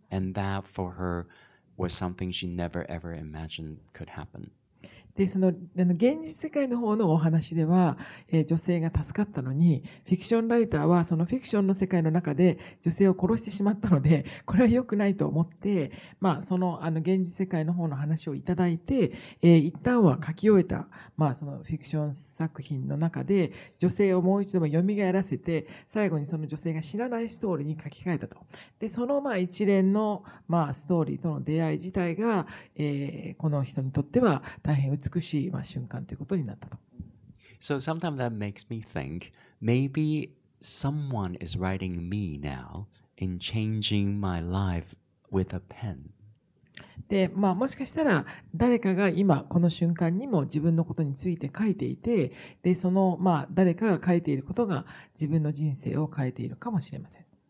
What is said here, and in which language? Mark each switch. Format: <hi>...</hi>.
<en>And that for her was something she never ever imagined could happen.</en> <ja>で、その、あの、現実世界の方のお話では、女性が助かったのに、フィクションライターはそのフィクションの世界の中で女性を殺してしまったので、これは良くないと思って、まあ、その、あの、現実世界の方の話をいただいて、一旦は書き終えた、まあ、そのフィクション作品の中で、女性をもう一度も蘇らせて、最後にその女性が死なないストーリーに書き換えたと。で、その、まあ、一連の、まあ、ストーリーとの出会い自体が、この人にとっては大変美しい、まあ、瞬間ということになったと。</ja> <en>So sometimes that makes me think maybe someone is writing me now in changing my life with a pen.</en> <ja>で、まあ、もしかしたら誰かが今この瞬間にも自分のことについて書いていて、で、その、まあ、誰かが書いていることが自分の人生を変えているかもしれません。</ja>